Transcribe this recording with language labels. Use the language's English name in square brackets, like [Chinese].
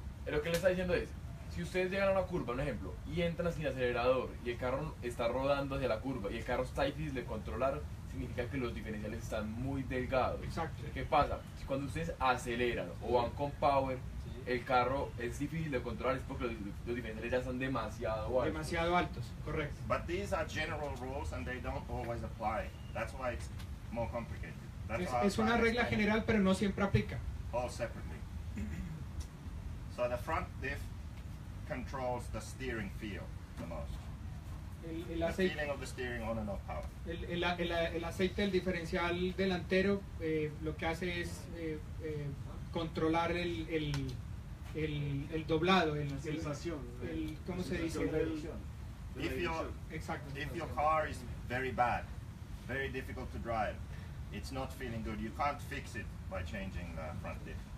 [Spanish] Lo que le está diciendo es, si ustedes llegan a una curva, un ejemplo, y entran sin acelerador y el carro está rodando hacia la curva y el carro está difícil de controlar, significa que los diferenciales están muy delgados. Exacto. ¿Qué pasa? Si cuando ustedes aceleran o van con power, el carro es difícil de controlar, es porque los diferenciales ya son demasiado altos. Demasiado altos, correcto. [English] But these are general rules and they don't always apply. That's why it's more complicated. [Spanish] Es una regla general, pero no siempre aplica. [English] All separately. So the front diff controls the steering feel the most. [Spanish] El aceite, [English] feeling of the steering on and off power. [Spanish] El aceite del diferencial delantero lo que hace es controlar el doblado, el sensación, el cómo se dice, la dirección. [English] If your car is very bad, very difficult to drive, it's not feeling good. You can't fix it by changing the front diff.